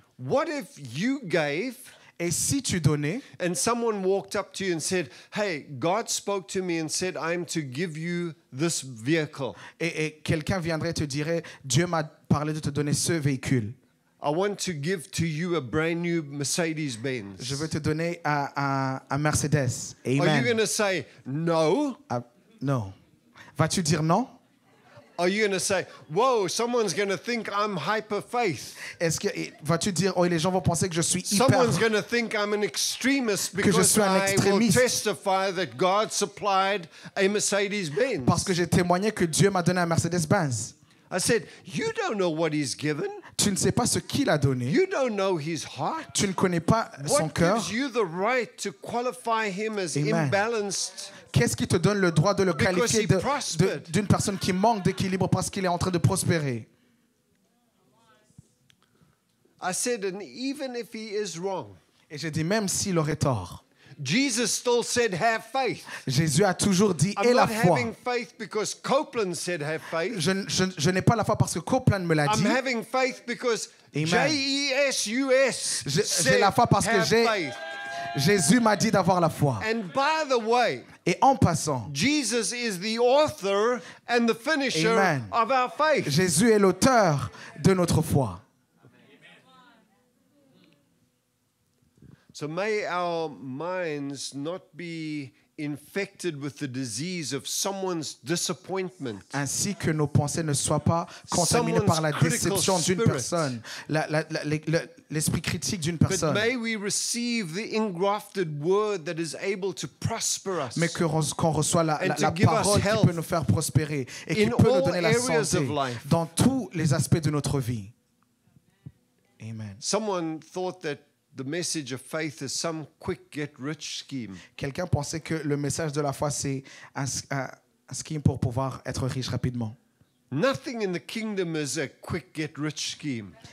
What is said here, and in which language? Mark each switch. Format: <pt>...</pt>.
<en>What if you gave?</en> <fr>Et si tu donnais?</fr> <en>And someone walked up to you and said, "Hey, God spoke to me and said I'm to give you this vehicle."</en> <fr>Et quelqu'un viendrait te dirait, Dieu m'a parlé de te donner ce véhicule.</fr> <en>I want to give to you a brand new Mercedes Benz.</en> <fr>Je veux te donner un Mercedes. Amen.</fr> <en>Are you going to say no? No.</en> <fr>Vas-tu dire non?</fr> <en>Are you going to say, "Whoa, someone's going to think I'm hyper faith"?</en> <fr>Est-ce que vas-tu dire, oh, les gens vont penser que je suis hyper?</fr> <en>Someone's going to think I'm an extremist because I will testify that God supplied a Mercedes Benz.</en> <fr>Parce que j'ai témoigné que Dieu m'a donné un Mercedes Benz.</fr> <en>I said, "You don't know what He's given."</en> <fr>Tu ne sais pas ce qu'il a donné.</fr> <en>You don't know his heart.</en> <fr>Tu ne connais pas son cœur.</fr> <en>What gives you the right to qualify him as imbalanced?</en> <fr>Qu'est-ce qui te donne le droit de le qualifier d'une personne qui manque d'équilibre parce qu'il est en train de prospérer?</fr> <en>I said, and even if he is wrong.</en> <fr>Et j'ai dit même s'il aurait tort.</fr> <en>Jesus still said, "Have faith."</en> <fr>Jésus a toujours dit, aie la foi.</fr> <en>I'm not having faith because Copeland said, "Have faith."</en> <fr>Je n'ai pas la foi parce que Copeland me l'a dit.</fr> <en>I'm having faith because Jesus.</en> <fr>J'ai la foi parce que Jésus m'a dit d'avoir la foi.</fr> <en>And by the way,</en> <fr>et en passant,</fr> <en>Jesus is the author and the finisher of our faith.</en> <fr>Jésus est l'auteur de notre foi.</fr> <en>So may our minds not be infected with the disease of someone's disappointment.</en> <fr>Ainsi que nos pensées ne soient pas contaminées par la déception d'une personne, l'esprit critique d'une personne.</fr> <en>But may we receive the engrafted word that is able to prosper us.</en> <fr>Mais qu'on reçoive la parole qui peut nous faire prospérer et qui peut nous donner la santé dans tous les aspects de notre vie.</fr> <en>Amen. Someone thought that the message of faith is some quick get rich scheme.</en> <fr>Quelqu'un pensait que le message de la foi c'est un scheme pour pouvoir être riche rapidement.</fr> <en>Nothing in the kingdom is a quick get rich scheme.</en>